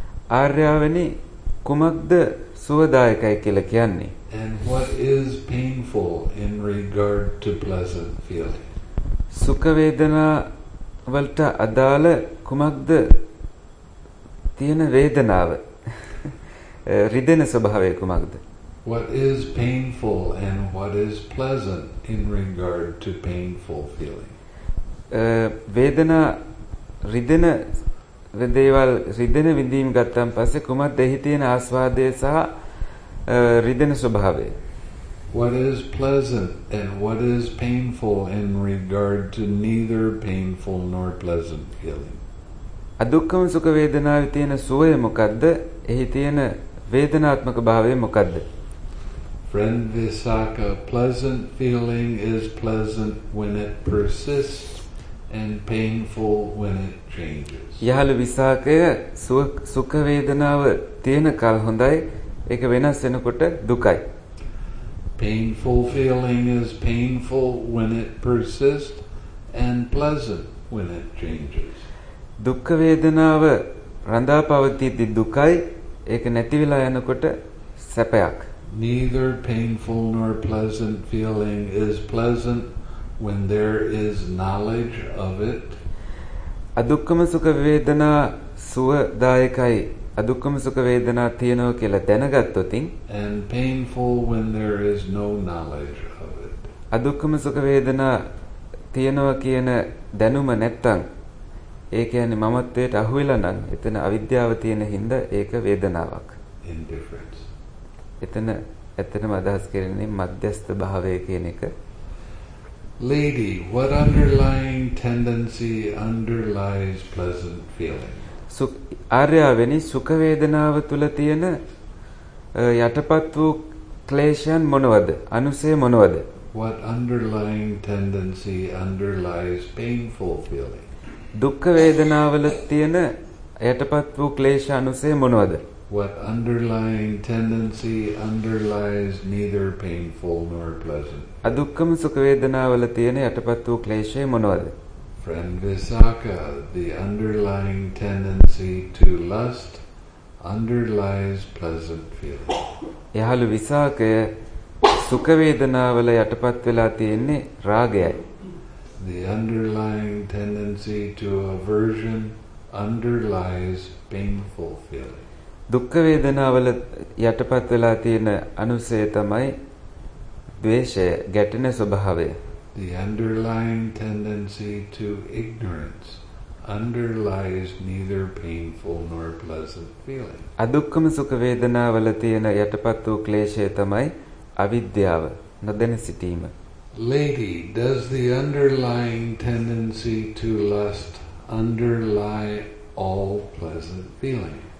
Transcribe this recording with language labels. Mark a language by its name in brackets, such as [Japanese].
[Sinhala] ආර්යවනි කුමක්ද සුවදායකයි කියලා කියන්නේ? [English] And what is painful in regard to pleasant feeling? [Sinhala] සුඛ වේදනා වලට අදාළ කුමක්ද තියෙන වේදනාව? රිදෙන ස්වභාවය කුමක්ද? [English] What is painful and what is pleasant in regard to painful feeling? [Sinhala] වේදනා රිදෙන දේවල් රිදෙන විඳීම් ගත්තන් පස්සේ කුමක්ද එහි තියෙන ආස්වාදය සහ රිදෙන ස්වභාවය? [English] What is pleasant and what is painful in regard to neither painful nor pleasant feeling? [Sinhala] අදුක්කම සුඛ වේදනාවේ තියෙන සුවය මොකද්ද? එහි තියෙන වේදනාත්මක භාවය මොකද්ද? [English] Friend Visakha, pleasant feeling is pleasant when it persists and painful when it changes. [Sinhala] යහළ විසාකය සුඛ වේදනාව තියෙන කල හොඳයි, ඒක වෙනස් වෙනකොට දුකයි. [English] Painful feeling is painful when it persists and pleasant when it changes. [Sinhala] දුක් වේදනාව රඳා පවතිද්දී දුකයි, ඒක නැති වෙලා යනකොට සැපයක්. [English] Neither painful nor pleasant feeling is pleasant when there is knowledge of it. [Sinhala] අදුක්කම සුඛ වේදනා සුවදායකයි. අදුක්කම සුඛ වේදනා තියෙනවා කියලා දැනගත්තොත් [English] and painful when there is no knowledge of it. [Sinhala] අදුක්කම සුඛ වේදනා තියෙනවා කියන දැනුම නැත්තම් ඒ කියන්නේ මමත්වයට අහු වෙලා නම් එතන අවිද්‍යාව තියෙන හින්දා ඒක වේදනාවක්. [English] Indifference. [Sinhala] එතන ඇත්තටම අදහස් කරන්නේ මධ්‍යස්ථ භාවය කියන එක. [English] Lady, what underlying tendency underlies pleasant feeling? [Sinhala] ආර්යවෙනි සුඛ වේදනාව තුල තියෙන යටපත් වූ ක්ලේශයන් මොනවද? අනුසය මොනවද? [English] What underlying tendency underlies painful feeling? [Sinhala] දුක් වේදනාවල තියෙන යටපත් වූ ක්ලේශ අනුසය මොනවද? [English] What underlying tendency underlies neither painful nor pleasant? [Sinhala] අදුක්කම සුඛ වේදනාවල තියෙන යටපත් වූ ක්ලේශය මොනවද? [English] Friend Visakha, the underlying tendency to lust underlies pleasant feeling. [Sinhala] යහළු විසාකය සුඛ වේදනාවල යටපත් වෙලා තියෙන්නේ රාගයයි. [English] The underlying tendency to aversion underlies painful feeling. [Sinhala] දුක් වේදනාවල යටපත් වෙලා තියෙන අනුසය තමයි ද්වේෂය, ගැටෙන ස්වභාවය. [English] The underlying tendency to ignorance underlies neither painful nor pleasant feeling. [Sinhala] අදුක්කම සුඛ වේදනාවල තියෙන යටපත් වූ ක්ලේශය තමයි අවිද්‍යාව, නොදැන සිටීම. [English] Lady, does the underlying tendency to lust underlie all pleasant feeling?